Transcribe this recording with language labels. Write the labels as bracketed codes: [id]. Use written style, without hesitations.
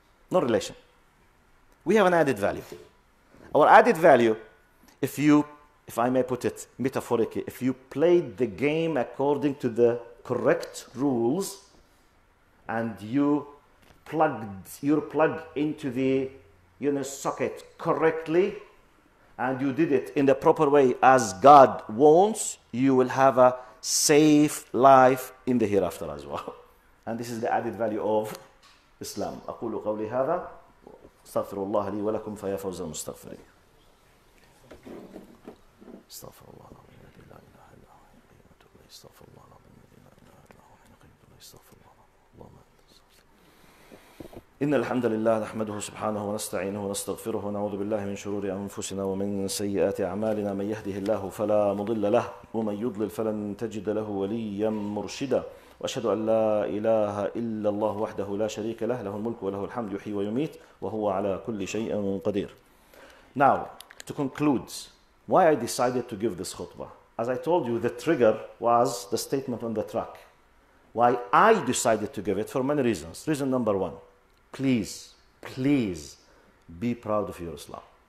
[en] No relation. We have an added value. Our added value, if I may put it metaphorically, if you played the game according to the correct rules and you plugged your plug into the socket correctly and you did it in the proper way as God wants, you will have a safe life in the hereafter as well. And this is the added value of Islam. [ar] أقول قولي هذا. استغفر الله لي ولكم فيا فوز المستغفرين. استغفر الله العظيم الذي لا إله إلا هو حي قيوم أتوب إليه. استغفر الله العظيم الذي لا إله إلا هو حي قيوم أتوب إليه. استغفر الله العظيم. اللهم أنت استغفر. إن الحمد لله نحمده سبحانه ونستعينه ونستغفره ونعوذ بالله من شرور أنفسنا ومن سيئات أعمالنا. من يهده الله فلا مضل له ومن يضلل فلن تجد له وليا مرشدا. وأشهد أن لا إله إلا الله وحده لا شريك له، له الملك وله الحمد يحيي ويميت وهو على كل شيء قدير. [en] Now, to conclude, why I decided to give this khutbah. As I told you, the trigger was the statement on the truck. Why I decided to give it for many reasons. Reason number one, please, please be proud of your Islam.